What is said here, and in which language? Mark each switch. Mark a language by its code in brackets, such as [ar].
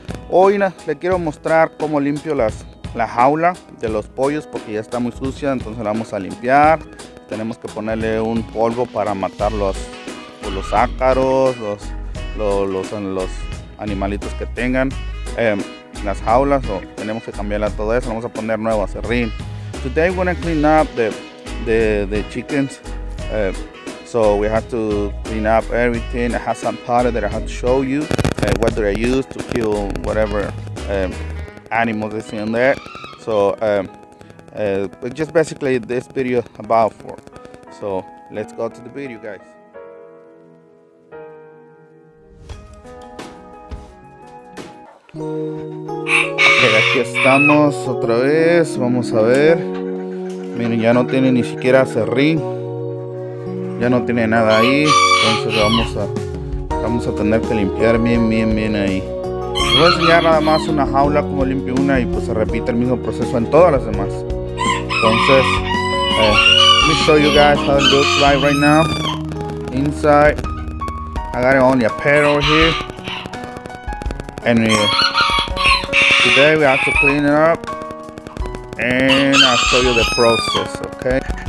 [es] Hoy le quiero mostrar cómo limpio la jaula de los pollos porque ya está muy sucia, entonces la vamos a limpiar. Tenemos que ponerle un polvo para matar los ácaros, los animalitos que tengan. Las jaulas, o tenemos que cambiarla todo eso, vamos a poner nuevo acerrín. [en] Today we're gonna clean up the chickens, so we have to clean up everything. I have some powder that I have to show you, what do I use to kill whatever animals is in there. So but just basically this video about for. So let's go to the video, guys. [es] Okay, aquí estamos otra vez, vamos a ver. Miren, ya no tiene ni siquiera acerrín, ya no tiene nada ahí, entonces vamos a tener que limpiar bien ahí. Les voy a enseñar nada más una jaula, como limpio una, y pues se repite el mismo proceso en todas las demás. [en] Entonces, let me show you guys how it looks like right now inside. I got only a pair over here, and today we have to clean it up, and I'll show you the process, okay?